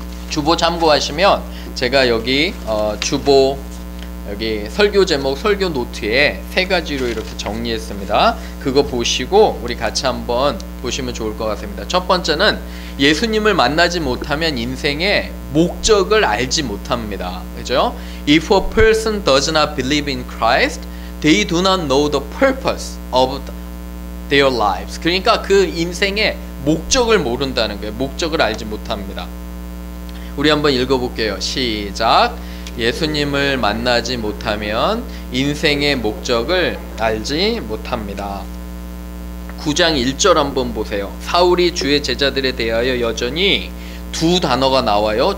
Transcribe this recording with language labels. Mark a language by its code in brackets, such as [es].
[ko] 주보 참고하시면 제가 여기 주보 여기 설교 제목 설교 노트에 세 가지로 이렇게 정리했습니다. 그거 보시고 우리 같이 한번 보시면 좋을 것 같습니다. 첫 번째는 예수님을 만나지 못하면 인생의 목적을 알지 못합니다. 그죠? [en] If a person does not believe in Christ, they do not know the purpose of their lives. [ko] 그러니까 그 인생의 목적을 모른다는 거예요. 목적을 알지 못합니다. 우리 한번 읽어볼게요. 시작. 예수님을 만나지 못하면 인생의 목적을 알지 못합니다. 9장 1절 한번 보세요. 사울이 주의 제자들에 대하여 여전히 두 단어가 나와요.